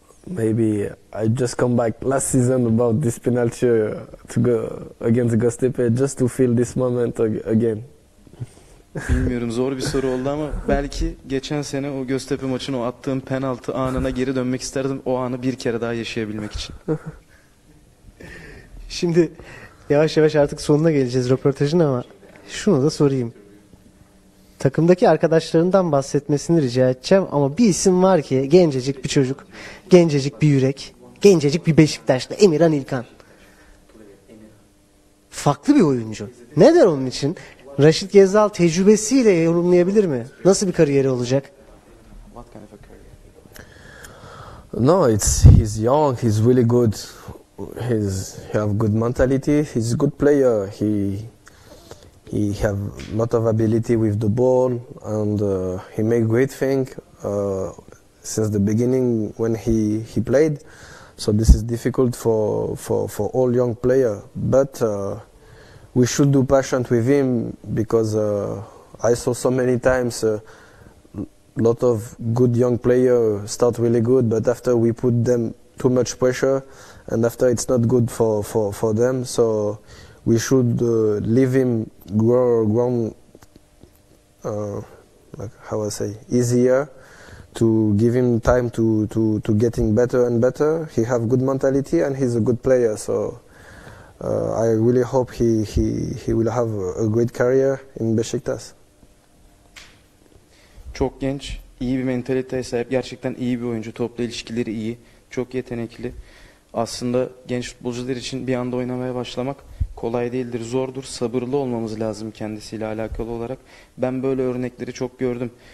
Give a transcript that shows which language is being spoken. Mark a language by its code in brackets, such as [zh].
[en] Maybe I just come back last season about this penalty to go against Göztepe just to feel this moment again. [tr] Bilmiyorum, zor bir soru oldu ama belki geçen sene o Göztepe maçını, o attığım penaltı anına geri dönmek isterdim, o anı bir kere daha yaşayabilmek için. Şimdi yavaş yavaş artık sonuna geleceğiz röportajın ama şunu da sorayım. Takımdaki arkadaşlarından bahsetmesini rica edeceğim ama bir isim var ki gencecik bir çocuk, gencecik bir yürek, gencecik bir Beşiktaşlı, Emirhan İlkan. Farklı bir oyuncu. Ne der onun için? Raşit Gezal tecrübesiyle yorumlayabilir mi? Nasıl bir kariyeri olacak? [en] No, he's young, he's really good. He have good mentality, he's a good player. He have a lot of ability with the ball, and he make great thing since the beginning when he played. So this is difficult for all young player. But we should do patient with him, because I saw so many times a lot of good young player start really good, but after we put them too much pressure, and after it's not good for them. So we should leave him grown, like how I say, easier, to give him time to getting better and better. He have good mentality and he's a good player. So I really hope he will have a great career in Beşiktaş. [tr] Çok genç, iyi bir mentaliteye sahip, gerçekten iyi bir oyuncu. Topla ilişkileri iyi, çok yetenekli. Aslında genç futbolcular için bir anda oynamaya başlamak kolay değildir, zordur. Sabırlı olmamız lazım kendisiyle alakalı olarak. Ben böyle örnekleri çok gördüm.